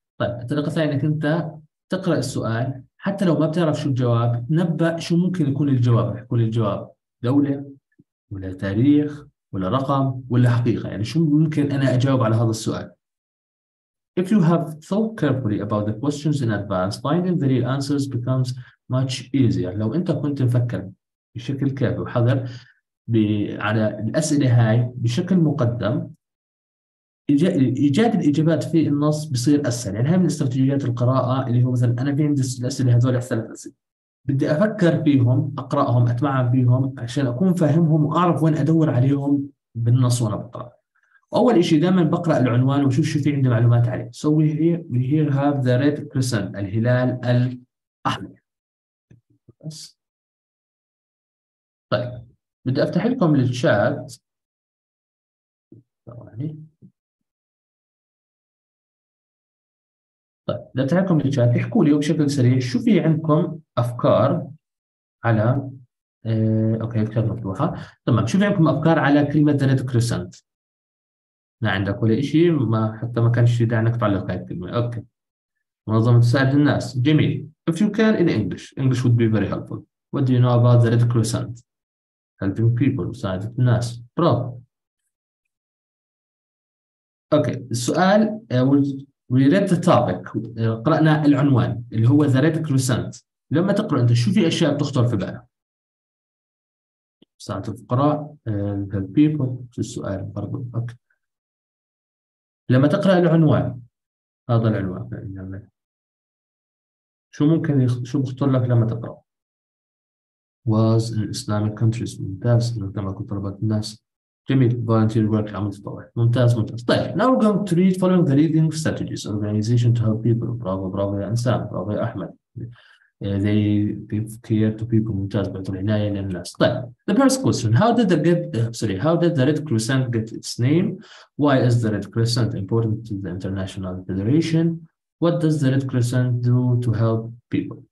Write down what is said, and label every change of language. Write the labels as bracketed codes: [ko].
[ar] طيب الطريقة الثانية إنك أنت تقرأ السؤال حتى لو ما بتعرف شو الجواب، نبأ شو ممكن يكون الجواب. يكون الجواب دولة ولا تاريخ ولا رقم ولا حقيقة، يعني شو ممكن أنا أجاوب على هذا السؤال. [en] If you have thought carefully about the questions in advance, finding the real answers becomes much easier. [ar] لو أنت كنت مفكر بشكل كافي وحذر على الأسئلة هاي بشكل مقدم، إيجاد الإجابات في النص بصير أسهل. يعني هاي من استراتيجيات القراءة، اللي هو مثلا أنا في عندي الأسئلة هذول، ثلاث أسئلة بدي أفكر فيهم، أقرأهم، أتمعن فيهم عشان أكون فاهمهم وأعرف وين أدور عليهم بالنص وأنا بقرأ. أول إشي دائما بقرأ العنوان وأشوف شو في عندي معلومات عليه. [en] So we here have the red crescent، الهلال الأحمر. [ar] بس طيب بدي افتح لكم الشات، ثواني. طيب بدي افتح لكم الشات، احكوا لي بشكل سريع شو في عندكم افكار على اوكي الكتاب مفتوحه. تمام، شو في عندكم افكار على كلمه ريد كريسنت؟ ما عندك ولا إشي، ما حتى ما كانش في داعي إنك تعلق هاي الكلمة. أوكي، منظمة تساعد الناس، جميل. [en] If you can in English, English would be very helpful. What do you know about the Red Crescent? Helping people, مساعدة الناس. [ar] برافو. أوكي، السؤال we read the topic، قرأنا العنوان اللي هو the Red Crescent. لما تقرأ أنت شو في أشياء بتخطر في بالك؟ مساعدة الفقراء، help people، في السؤال برضو. أوكي، لما تقرأ العنوان، هذا العنوان، شو ممكن شو بخطر لك لما تقرأ؟ was in Islamic countries، ممتاز، لما كنت طلبت الناس، جميل، volunteer work، عمل تطوع، ممتاز ممتاز. [en] طيب now we're going to read following the leading strategies organization to help people. [ar] برافو برافو يا إنسان، برافو يا أحمد. [en] They give care to people. [ar] ممتاز، بعطوا العناية للناس. [en] طيب the first question, how did the get sorry how did the Red Crescent get its name? Why is the Red Crescent important to the International Federation? What does the Red Crescent do to help people?